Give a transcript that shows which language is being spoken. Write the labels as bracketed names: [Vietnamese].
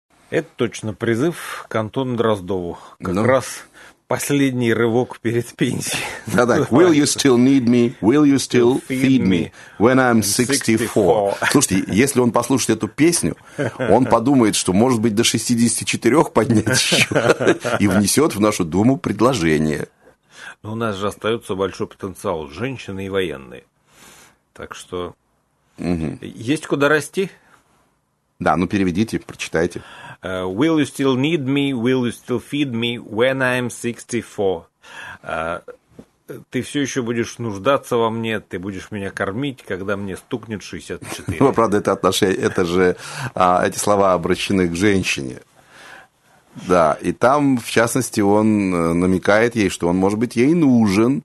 [Russian] Это точно призыв к Антону Дроздову. Раз последний рывок перед пенсией. Да-да. Will you still need me? [English] Will you still feed me when I'm 64? [Russian] Слушайте, если он послушает эту песню, он подумает, что может быть до 64 поднять еще и внесет в нашу думу предложение. Но у нас же остается большой потенциал, женщины и военные. Так что есть куда расти. Да, ну переведите, прочитайте. [English] Will you still need me? Will you still feed me when I'm 64? [Russian] Ты все еще будешь нуждаться во мне, ты будешь меня кормить, когда мне стукнет 64. Ну, правда, это отношение, это же эти слова обращены к женщине. Да, и там, в частности, он намекает ей, что он, может быть, ей нужен.